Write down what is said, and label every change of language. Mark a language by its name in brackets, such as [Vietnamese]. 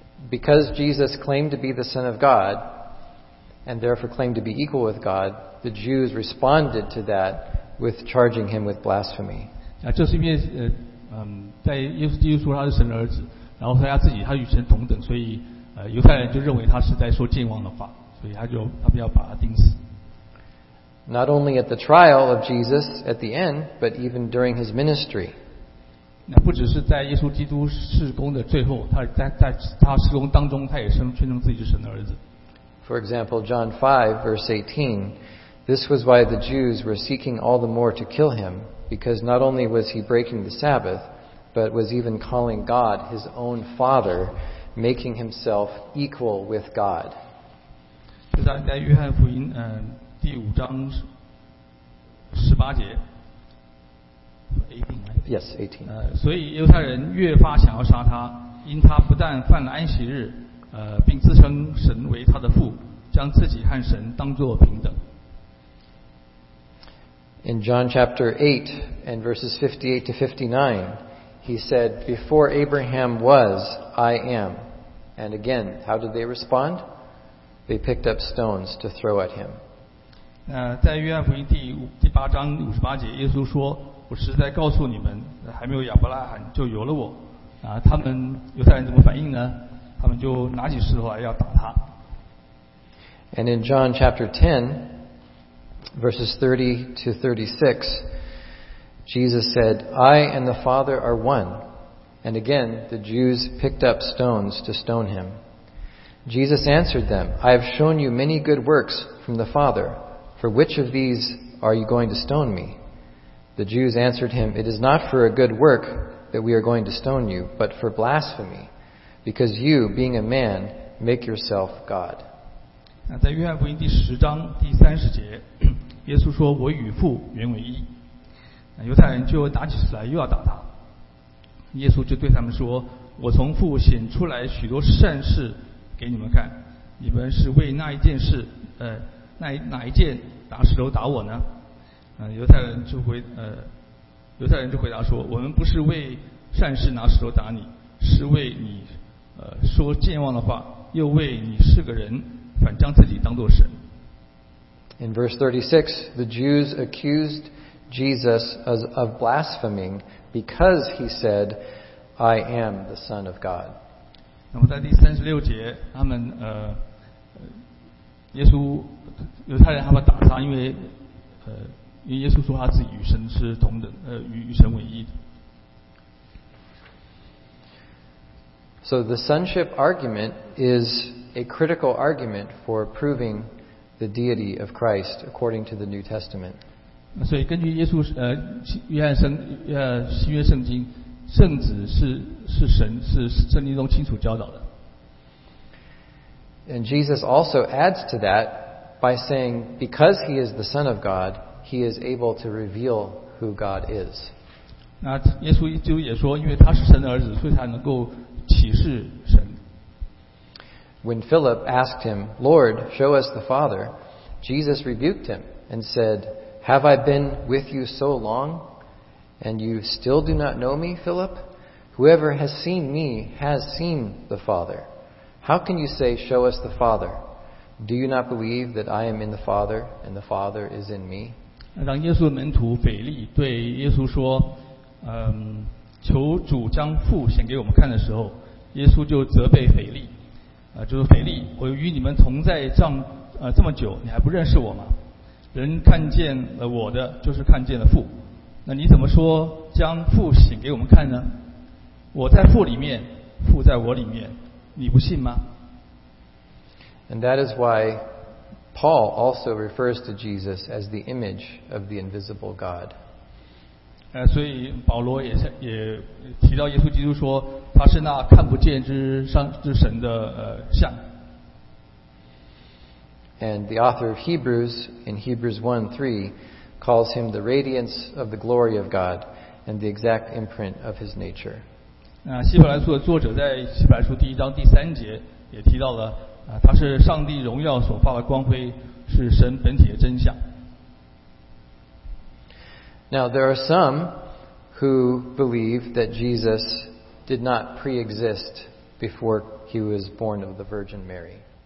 [English] Because Jesus claimed to be the Son of God and therefore claimed to be equal with God, the Jews responded to that with charging him with blasphemy. [Chinese] 就是因为在耶稣基督说他是神的儿子，然后说他自己他与神同等，所以犹太人就认为他是在说健忘的话，所以他们要把他钉死。 [English] Not only at the trial of Jesus at the end, but even during his ministry. [Chinese] 那不只是在耶稣基督事工的最后，他事工当中，他也宣称自己是神的儿子。 [English] For example, John 5 verse 18, this was why the Jews were seeking all the more to kill him, because not only was he breaking the Sabbath, but was even calling God his own Father, making himself equal with God. [Chinese] 就在约翰福音第五章十八节。 [English] Yes, 18. [Chinese] 所以犹太人越发想要杀他，因他不但犯了安息日，并自称神为他的父，将自己和神当作平等。 [English] In John chapter 8 and verses 58 to 59, he said, "Before Abraham was, I am." And again, how did they respond? They picked up stones to throw at him. [Chinese] 在约翰福音第八章五十八节，耶稣说。我实在告诉你们，还没有亚伯拉罕就有了我。他们犹太人怎么反应呢？他们就拿起石头来要打他。 [English] And in John chapter 10, verses 30 to 36, Jesus said, "I and the Father are one." And again, the Jews picked up stones to stone him. Jesus answered them, "I have shown you many good works from the Father. For which of these are you going to stone me?" The Jews answered him, "It is not for a good work that we are going to stone you, but for blasphemy, because you, being a man, make yourself God." [Chinese] 在约翰福音第十章第三十节，耶稣说：“我与父原为一。” 犹太人就拿起石来又要打他。耶稣就对他们说：“我从父显出来许多善事给你们看，你们是为那一件事，哪一件打石头打我呢？” 犹太人就回答说，我们不是为善事拿石头打你，是为你说健忘的话，又为你是个人反将自己当作神。 [English] In verse 36, the Jews accused Jesus of blaspheming because he said, "I am the Son of God." [Chinese] 那么在第三十六节，他们耶稣犹太人他们打他，因为因为耶稣说他自己与神是同等，与神为一的。 [English] So the sonship argument is a critical argument for proving the deity of Christ according to the New Testament. [Chinese] 所以根据耶稣新约圣经，圣子是神，是圣经中清楚教导的。 [English] And Jesus also adds to that by saying, because he is the Son of God. He is able to reveal who God is. [Chinese] 那耶稣基督也说，因为他是神的儿子，所以他能够启示神。 [English] When Philip asked him, "Lord, show us the Father," Jesus rebuked him and said, "Have I been with you so long, and you still do not know me, Philip? Whoever has seen me has seen the Father. How can you say, 'Show us the Father'? Do you not believe that I am in the Father, and the Father is in me?" [Chinese] 让耶稣的门徒腓力对耶稣说，求主将父显给我们看的时候，耶稣就责备腓力，就是腓力，我与你们同在这么久，你还不认识我吗？人看见了我的，就是看见了父，那你怎么说将父显给我们看呢？我在父里面，父在我里面，你不信吗？ [English] And that is why Paul also refers to Jesus as the image of the invisible God. [Chinese] 所以保罗也提到耶稣基督说他是那看不见之神的像。 [English] And the author of Hebrews in Hebrews 1:3 calls him the radiance of the glory of God and the exact imprint of his nature. [Chinese] 希伯来书的作者在希伯来书第一章第三节也提到了他是上帝荣耀所发的光辉，是神本体的真相。 [English] Now there are some who believe that Jesus did not pre-exist before he was born of the Virgin Mary.